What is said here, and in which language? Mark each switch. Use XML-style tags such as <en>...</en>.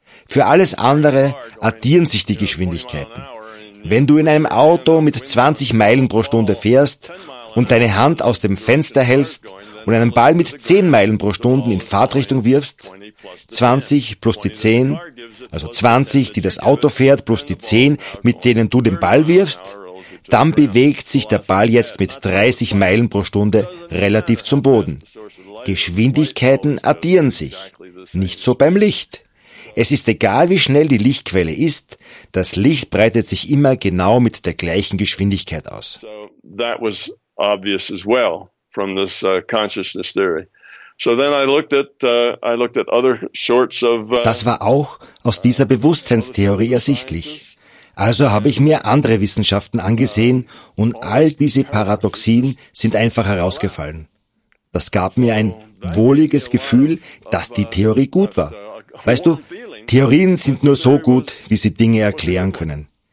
<de>Für alles andere addieren sich die Geschwindigkeiten. Wenn du in einem Auto mit 20 Meilen pro Stunde fährst und deine Hand aus dem Fenster hältst und einen Ball mit 10 Meilen pro Stunde in Fahrtrichtung wirfst, 20 plus die 10, also 20, die das Auto fährt, plus die 10, mit denen du den Ball wirfst, dann bewegt sich der Ball jetzt mit 30 Meilen pro Stunde relativ zum Boden. Geschwindigkeiten addieren sich. Nicht so beim Licht. Es ist egal, wie schnell die Lichtquelle ist, das Licht breitet sich immer genau mit der gleichen Geschwindigkeit aus.</de> <en>That was obvious as well from this consciousness theory. So then I looked at other sorts of.</en> <de>Das war auch aus dieser Bewusstseinstheorie ersichtlich. Also habe ich mir andere Wissenschaften angesehen und all diese Paradoxien sind einfach herausgefallen. Das gab mir ein wohliges Gefühl, dass die Theorie gut war. Weißt du, Theorien sind nur so gut, wie sie Dinge erklären können.</de>